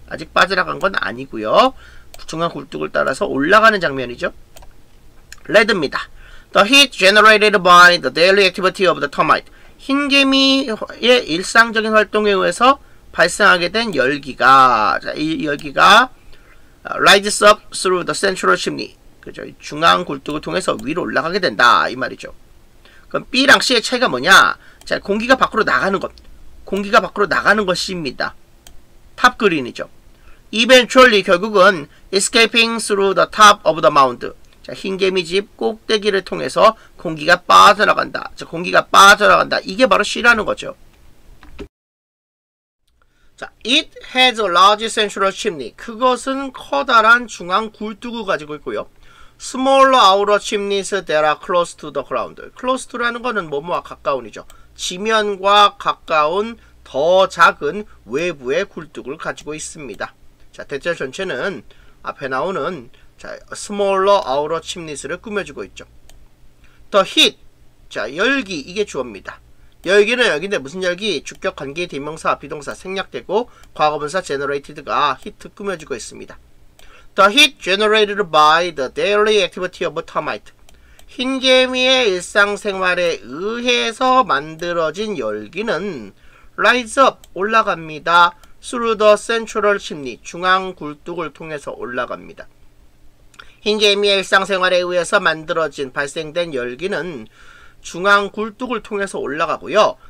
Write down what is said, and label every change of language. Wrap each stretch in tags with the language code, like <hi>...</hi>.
<ko>아직 빠져나간 건 아니고요. 중앙 굴뚝을 따라서 올라가는 장면이죠. 레드입니다.</ko> <en>The heat generated by the daily activity of the termite.</en> <ko>흰개미의 일상적인 활동에 의해서 발생하게 된 열기가, 자, 이 열기가</ko> <en>rises up through the central chimney.</en> <ko>그죠? 중앙 굴뚝을 통해서 위로 올라가게 된다. 이 말이죠. 그럼 B랑 C의 차이가 뭐냐? 자, 공기가 밖으로 나가는 것. 공기가 밖으로 나가는 것입니다. 탑 그린이죠.</ko> <en>Eventually,</en> <ko>결국은</ko> <en>escaping through the top of the mound.</en> <ko>자, 흰개미 집 꼭대기를 통해서 공기가 빠져나간다. 자, 공기가 빠져나간다. 이게 바로 C라는 거죠.</ko> <en>자, it has a large central chimney.</en> <ko>그것은 커다란 중앙 굴뚝을 가지고 있고요.</ko> <en>smaller outer chimneys that are close to the ground.</en> <ko>close to라는 거는 뭐뭐와 가까운이죠. 지면과 가까운 더 작은 외부의 굴뚝을 가지고 있습니다. 자, 대체 전체는 앞에 나오는 자,</ko> <en>smaller outer chimneys</en> <ko>를 꾸며주고 있죠.</ko> <en>The heat.</en> <ko>자, 열기. 이게 주어입니다. 열기는 열기인데 무슨 열기? 주격 관계 대명사 비동사 생략되고 과거분사 generated가 heat 꾸며주고 있습니다.</ko> <en>The heat generated by the daily activity of termite.</en> <ko>흰개미의 일상생활에 의해서 만들어진 열기는</ko> <en>rise up,</en> <ko>올라갑니다.</ko> <en>through the central chimney,</en> <ko>중앙 굴뚝을 통해서 올라갑니다. 흰개미의 일상생활에 의해서 만들어진, 발생된 열기는 중앙 굴뚝을 통해서 올라가고요.</ko>